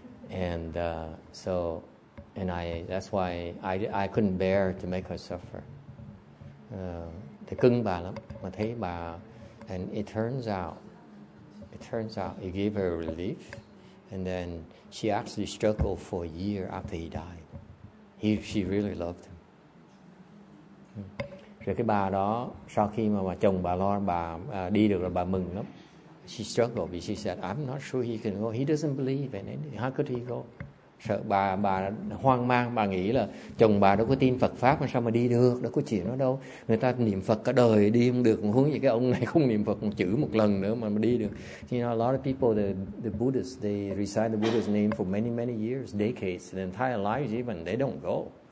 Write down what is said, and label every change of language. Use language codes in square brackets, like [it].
[en] And that's why I couldn't bear to make her suffer. [vi] Thì cưng bà lắm, mà thấy bà, [en] and it turns out it gave her relief, and then she actually struggled for a year after he died. She really loved him. [vi] Rồi cái bà đó, sau khi mà chồng bà lo, bà đi được là bà mừng lắm. [en] She struggled because she said, I'm not sure he can go. He doesn't believe in anything. How could he go? [vi] Sợ bà hoang mang, bà nghĩ là chồng bà đâu có tin Phật Pháp mà sao mà đi được, đâu có chuyện đó đâu. Người ta niệm Phật cả đời đi không được, huống gì cái ông này không niệm Phật một chữ một lần nữa mà đi được. [en] You know, a lot of people, the Buddhists, they recite the Buddha's name for many, many years, decades, the entire lives even, they don't go.